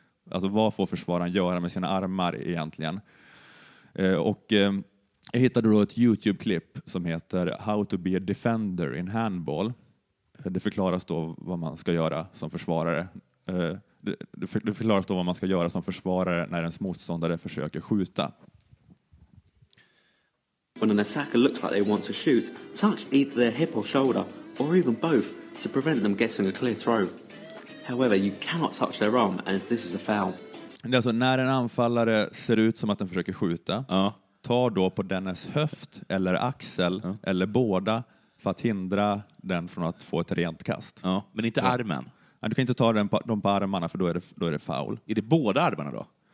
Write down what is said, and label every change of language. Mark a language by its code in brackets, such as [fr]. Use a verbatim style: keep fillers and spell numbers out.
[sv] Alltså vad får försvararen göra med sina armar egentligen? Eh, och eh, jag hittade då ett YouTube-klipp som heter [en] How to be a defender in handball. [sv] Det förklaras då vad man ska göra som försvarare. Eh, det, det för- det förklaras då vad man ska göra som försvarare när ens motståndare försöker skjuta. [en] When an attacker looks like they want to shoot, touch either their hip or shoulder, or even both, to prevent them getting a clear throw. However, you cannot touch their arm, as this is a foul. [sv] Det är alltså när en anfallare ser ut som att den försöker skjuta, Ja. tar då på dennes höft eller axel eller båda för att hindra den från att få ett rent kast. Ja, men inte armen. Nej, du kan inte ta den på, de på armarna för då är det, då är det foul. Är det båda armarna då?